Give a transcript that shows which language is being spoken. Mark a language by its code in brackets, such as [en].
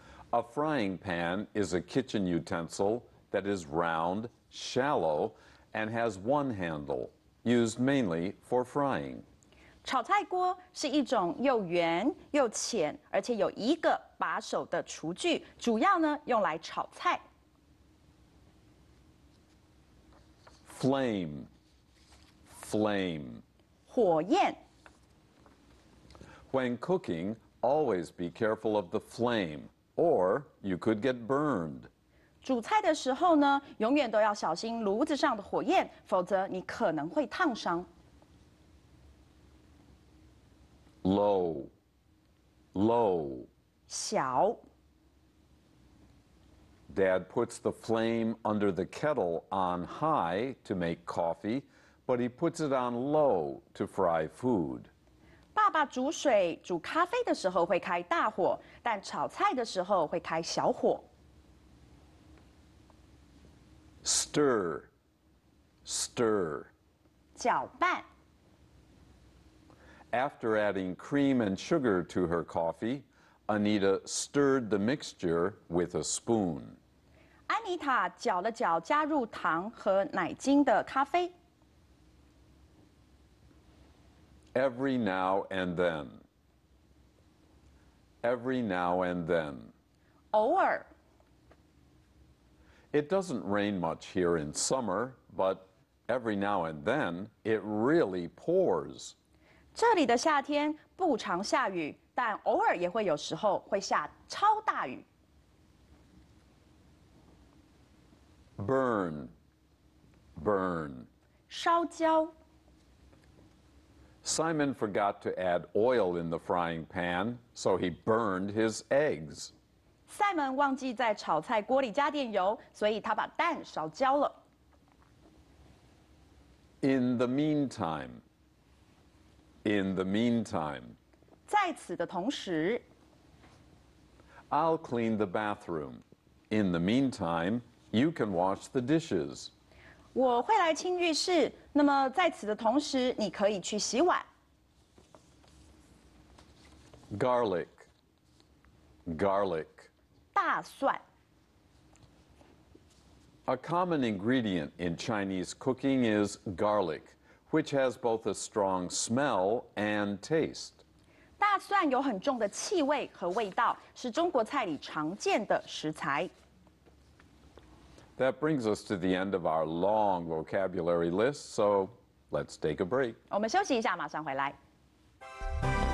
[en] A frying pan is a kitchen utensil that is round, shallow, and has one handle, used mainly for frying. [zh] 炒菜锅是一种又圆又浅，而且有一个把手的厨具，主要呢用来炒菜。 [en] Flame, flame. [zh] 火焰。 [en] When cooking, always be careful of the flame, or you could get burned. [zh] 煮菜的时候呢，永远都要小心炉子上的火焰，否则你可能会烫伤。 [en] Low, low. [zh] 小。 [en] Dad puts the flame under the kettle on high to make coffee, but he puts it on low to fry food. [zh] 爸爸煮水煮咖啡的时候会开大火，但炒菜的时候会开小火。 [en] Stir, stir. [zh] 搅拌。 [en] After adding cream and sugar to her coffee, Anita stirred the mixture with a spoon. [zh] Anita 搅了搅加入糖和奶精的咖啡。 [en] Every now and then. Every now and then. [zh] 偶尔。 [en] It doesn't rain much here in summer, but every now and then it really pours. [zh] 这里的夏天不常下雨，但偶尔也会有时候会下超大雨。 [en] Burn, burn. [zh] 烧焦。 [en] Simon forgot to add oil in the frying pan, so he burned his eggs. [zh] 塞门忘记在炒菜锅里加点油，所以他把蛋烧焦了。 [en] In the meantime, in the meantime. [zh] 在此的同时。 [en] I'll clean the bathroom. In the meantime, you can wash the dishes. [zh] 我会来清浴室，那么在此的同时，你可以去洗碗。 [en] Garlic, garlic. [zh] 大蒜。 [en] A common ingredient in Chinese cooking is garlic, which has both a strong smell and taste. [zh] 大蒜有很重的气味和味道，是中国菜里常见的食材。 [en] That brings us to the end of our long vocabulary list, so let's take a break. [zh] 我们休息一下，马上回来。